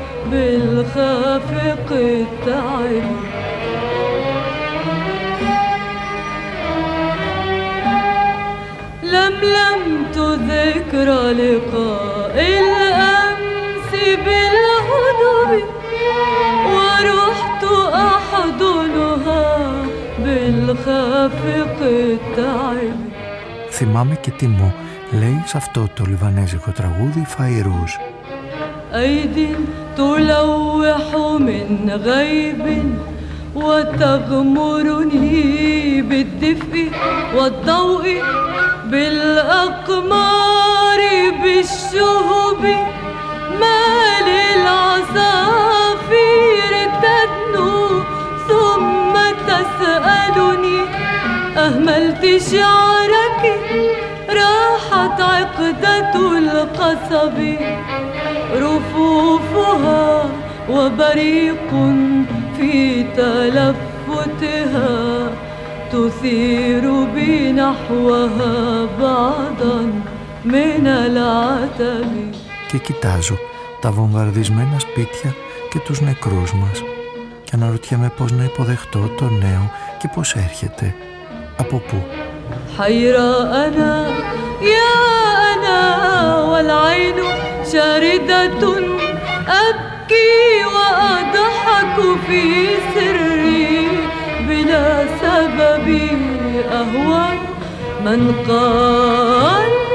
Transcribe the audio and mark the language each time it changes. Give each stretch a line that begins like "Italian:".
Arabic: بالخافق التعب لملمت ذكرى لقاء الأمس بالهدوء ورحت أحضنها بالخافق التعب.
Greek: Θυμάμαι και τι μου λέει σε αυτό το λιβανέζικο τραγούδι Φαϊρούς.
Arabic: أيدي تلوح من غيب وتغمرني بالدفء والضوء بالأقمار بالشهب ما للعصافير تدنو ثم تسألني أهملت شعرك راحت عقدة القصب رفوفها وبريق في تلفتها تثير بنحوها بعضا من العتب.
Greek: Και κοιτάζω τα βομβαρδισμένα σπίτια και τους νεκρούς μας και αναρωτιέμαι πώς να υποδεχτώ το νέο και πώς έρχεται. Από πού?
Arabic: حيرة أنا يا أنا والعين شاردة أبكي وأضحك في سري بلا سبب أهوى من قال